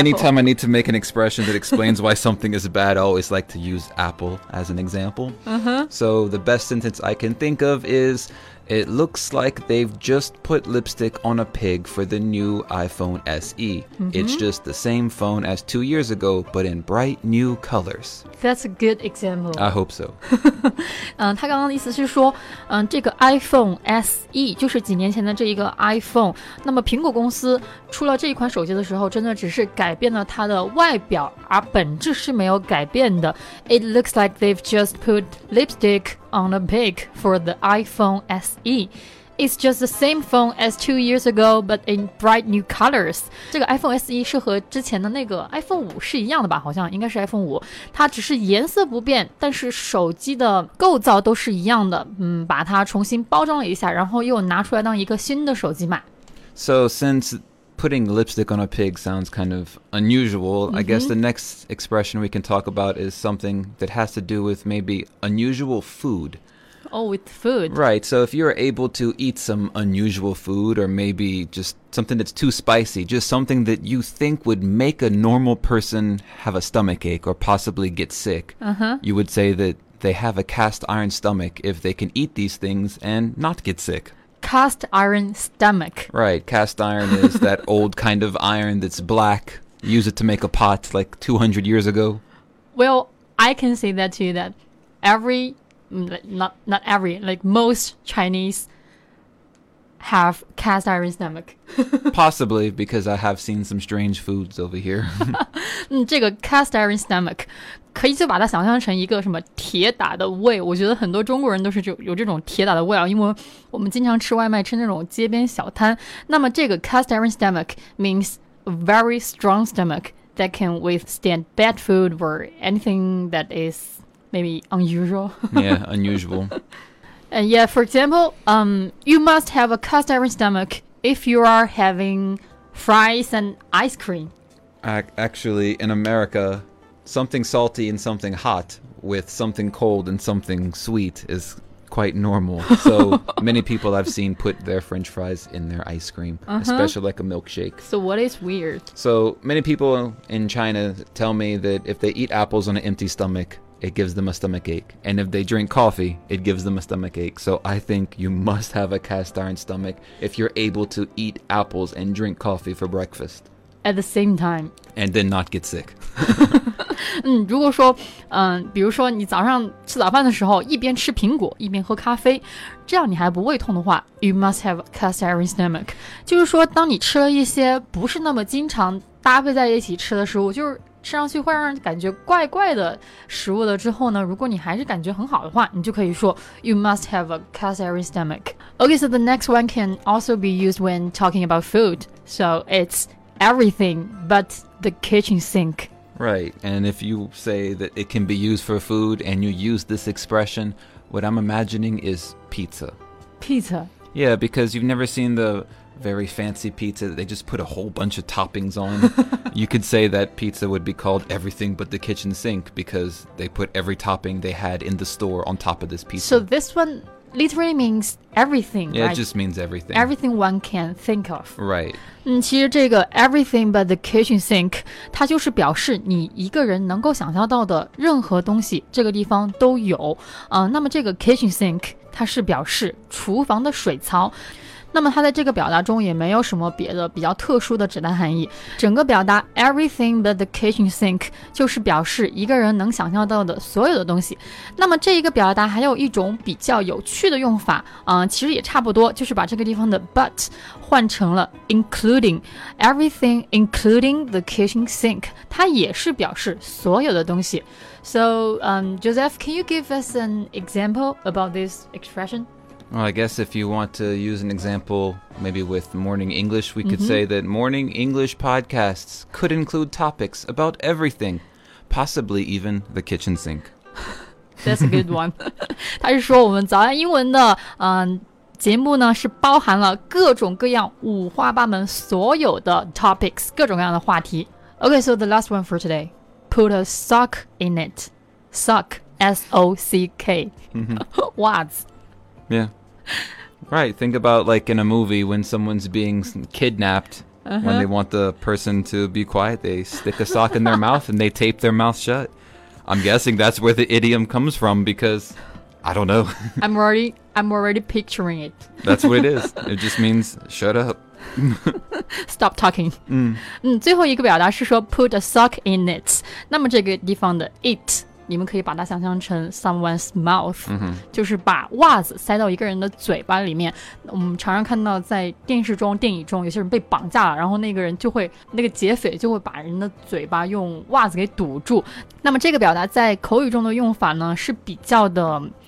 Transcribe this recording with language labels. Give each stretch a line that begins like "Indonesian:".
English: Anytime I need to make an expression that explains why something is bad, I always like to use Apple as an example. Uh-huh. So the best sentence I can think of is... It looks like they've just put lipstick on a pig for the new iPhone SE.、 Mm-hmm. It's just the same phone as 2 years ago, but in bright new colors. That's a good example. I hope so.
Chinese: 他刚刚的意思是说、这个 iPhone SE 就是几年前的这一个 iPhone。那么苹果公司出了这一款手机的时候真的只是改变了它的外表而本质是没有改变的。
English: It looks like they've just put lipstick on a pig for the iPhone SE. It's just the same phone as 2 years ago, but in bright new colors.
Chinese: 这个 iPhone SE 是和之前的那个 iPhone 5是一样的吧？好像应该是 iPhone 5，它只是颜色不变，但是手机的构造都是一样的。嗯，把它重新包装了一下，然后又拿出来当一个新的手机卖。
English: So since putting lipstick on a pig sounds kind of unusual,、mm-hmm. I guess the next expression we can talk about is something that has to do with maybe unusual food. Oh, with food. Right, so if you're able to eat some unusual food or maybe just something that's too spicy, just something that you think would make a normal person have a stomach ache or possibly get sick,、 uh-huh. you would say that they have a cast iron stomach if they can eat these things and not get sick. Cast iron stomach. Right, cast iron is that old kind of iron that's black. Use it to make a pot like 200 years ago. Well, I can say that too, that most Chinese have cast iron stomach. Possibly, because I have seen some strange foods over here.
Chinese: 这个 cast iron stomach 可以就把它想象成一个什么铁打的胃。我觉得很多中国人都是有这种铁打的胃啊，因为我们经常吃外卖，吃那种街边小摊。那么这个
English: cast iron stomach means a very strong stomach that can withstand bad food or anything that is... Maybe unusual. Yeah, unusual. And yeah, for example, you must have a cast iron stomach if you are having fries and ice cream. Actually, in America, something salty and something hot with something cold and something sweet is quite normal. So many people I've seen put their french fries in their ice cream,、uh-huh. especially like a milkshake. So what is weird? So many people in China tell me that if they eat apples on an empty stomach,it gives them a stomach ache. And if they drink coffee, it gives them a stomach ache. So I think you must have a cast iron stomach if you're able to eat apples and drink coffee for breakfast. At the same time. And then not get sick.
Chinese: 如果说、比如说你早上吃早饭的时候一边吃苹果一边喝咖啡，这样你还不胃痛的话，
English: you must have a cast iron stomach.
Chinese: 就是说当你吃了一些不是那么经常搭配在一起吃的食物，就是吃上去会让人感觉怪怪的食物了之后呢，如果你还是感觉很好的话，你就可以说
English: You must have a cast iron stomach. Okay, so the next one can also be used when talking about food. So it's everything but the kitchen sink. Right, and if you say that it can be used for food and you use this expression, what I'm imagining is pizza. Pizza? Yeah, because you've never seen the... very fancy pizza that they just put a whole bunch of toppings on. You could say that pizza would be called everything but the kitchen sink because they put every topping they had in the store on top of this pizza. So this one literally means everything, yeah, It just means everything. Everything one can think of. Right.、
Chinese: 其实这个
English: everything but the kitchen sink
Chinese: 它就是表示你一个人能够想象到的任何东西这个地方都有、那么这个 kitchen sink 它是表示厨房的水槽，那么它在这个表达中也没有什么别的比较特殊的指代含义，整个表达 everything but the kitchen sink 就是表示一个人能想象到的所有的东西。那么这一个表达还有一种比较有趣的用法、其实也差不多，就是把这个地方的 but 换成了
English: including everything including the kitchen sink，
Chinese: 它也是表示所有的东西。
English: So Joseph, can you give us an example about this expression? Well, I guess if you want to use an example, maybe with morning English, we could、mm-hmm. say that morning English podcasts could include topics about everything, possibly even the kitchen sink. That's a good one.
Chinese: 他是说我们早安英文的、节目呢是包含了各种各样五花八门所有的 topics, 各种各样的话题。
English: Okay, so the last one for today, put a sock in it. Sock, S-O-C-K. 袜子。 Yeah. Right. Think about like in a movie when someone's being kidnapped,、uh-huh. when they want the person to be quiet, they stick a sock in their mouth and they tape their mouth shut. I'm guessing that's where the idiom comes from because I don't know. I'm already picturing it. That's what it is. It just means shut up. Stop talking.、mm.
Chinese: 最后一个表达是说
English: put a sock in it.
Chinese: 那么这个地方的 it... 你们可以把它想象成
English: someone's mouth、
Chinese: mm-hmm. 就是把袜子塞到一个人的嘴巴里面，我们常常看到在电视中电影中有些人被绑架了，然后那个人就会那个劫匪就会把人的嘴巴用袜子给堵住。那么这个表达在口语中的用法呢是比较的